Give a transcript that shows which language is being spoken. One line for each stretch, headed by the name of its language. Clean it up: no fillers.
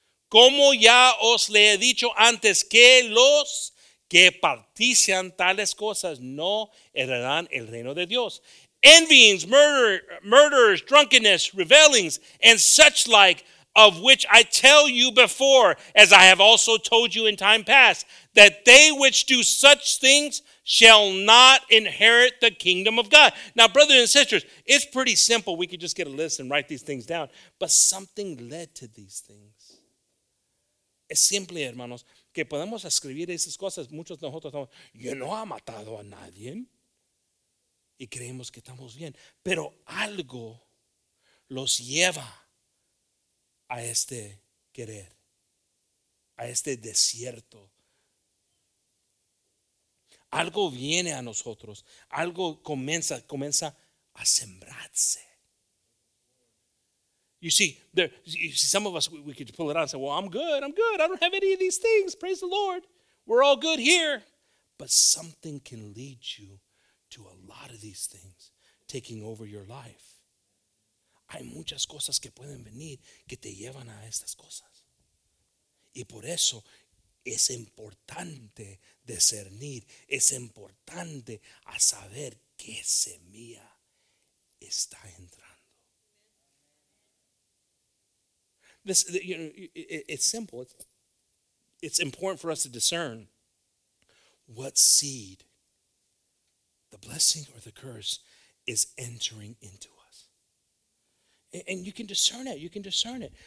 Spanish: Como ya os le he dicho antes, que los que participan tales cosas no heredarán el reino de Dios.
English: Envyings, murders, drunkenness, revelings, and such like, of which I tell you before, as I have also told you in time past, that they which do such things shall not inherit the kingdom of God. Now, brothers and sisters, it's pretty simple. We could just get a list and write these things down. But something led to these things.
Spanish: Es simple, hermanos, que podemos escribir esas cosas. Muchos de nosotros estamos, yo no he matado a nadie. Y creemos que estamos bien. Pero algo los lleva a este querer, a este desierto. Algo viene a nosotros. Algo comienza a sembrarse.
English: You see, some of us, we could pull it out and say, well, I'm good. I don't have any of these things. Praise the Lord. We're all good here. But something can lead you to a lot of these things taking over your life.
Spanish: Hay muchas cosas que pueden venir que te llevan a estas cosas. Y por eso es importante discernir. Es importante a saber qué semilla está entrando.
English: This, you know, it's simple. It's important for us to discern what seed, the blessing or the curse, is entering into us. And you can discern it. You can discern it.